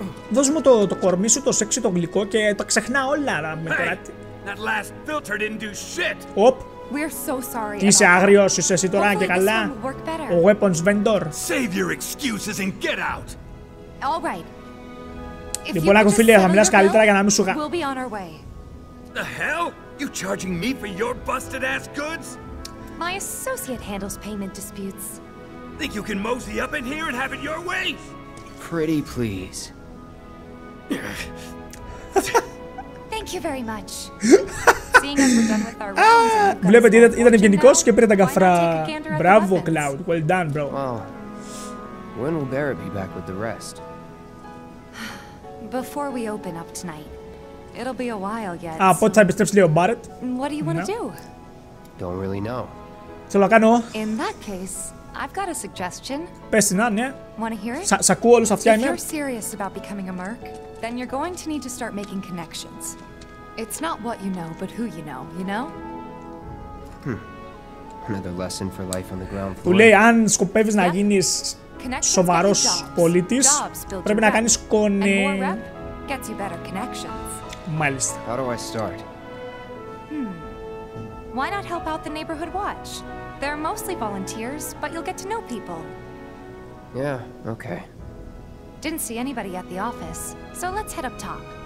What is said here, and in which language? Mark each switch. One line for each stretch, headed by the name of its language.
Greek: Δώσ' μου το κορμί σου, το σεξι, το γλυκό και τα ξεχνά όλα, με τώρα.
English: That last filter didn't do shit.
Greek: Οπ.
English: We're so sorry.
Greek: Τι είσαι άγριος, είσαι εσύ τώρα και καλά. Ο weapons vendor.
English: Save your excuses and get out. All right.
Greek: Λοιπόν, άκου φίλε, θα μιλάς καλύτερα για να μην σου
English: χα... We'll be on our way. The hell? You charging me for your busted ass goods? My associate handles payment disputes. Think you can mosey up in here and have it your way? Pretty please. Thank you very much. Seeing as we're done with our rounds.
Greek: Βλέπετε, ήταν ευγενικός και πήρε τα καφρά. Μπράβο, Cloud.
English: Well done, bro. Well, when will Barrett be back with the rest? Before we open up tonight. It'll be a while yet.
Greek: Ah, πότε θα επιστρέψει ο Barrett?
English: What do you want to do? Don't really know.
Greek: Θέλω να κάνω.
English: In that case, I've got a suggestion.
Greek: Πες την, ναι.
English: Want to hear it?
Greek: Σ' ακούω όλους αυτιά, ναι.
English: If you're serious about becoming a merc, then you're going to need to start making connections. It's not what you know, but who you know, you know? Another lesson for life on the ground floor.
Greek: Του λέει, αν σκοπεύεις να γίνεις σοβαρός πολίτης, πρέπει να κάνεις κονέ.
English: And more rep gets you better connections.
Greek: Μάλιστα.
English: How do I start? Why not help out the neighborhood watch? They're mostly volunteers, but you'll get to know people. Yeah, okay. Didn't see anybody at the office, so let's head up top.